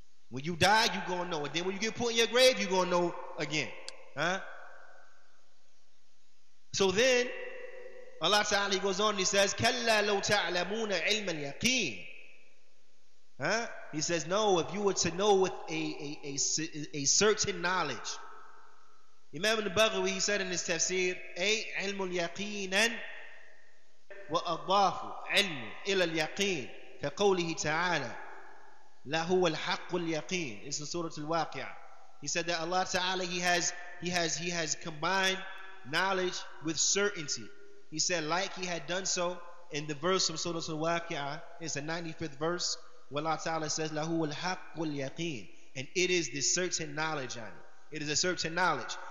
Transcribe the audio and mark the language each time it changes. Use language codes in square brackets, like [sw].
[en] When you die, you're going to know. And then when you get put in your grave, you're going to know again. Huh? So then, Allah Ta'ala, He goes on and He says, [ar] كَلَّا لَوْ تَعْلَمُونَ عِلْمَ الْيَقِينَ. [en] Huh? He says, no, if you were to know with a certain knowledge. [ar] Imam al-Baghawi, [en] he said in his tafsir, [ar] أي علم اليقين وأضاف علم إلى اليقين كقوله تعالى لَهُ الْحَقُّ الْيَقِينَ. [en] It's in Surah Al-Waqi'ah. He said that Allah Ta'ala, He has combined knowledge with certainty. He said, like He had done so in the verse from Surah Al-Waqi'ah, it's the 95th verse, where Allah Ta'ala says, [ar] لَهُ الْحَقُّ الْيَقِينَ. [en] And it is the certain knowledge, Ani. It is a certain knowledge.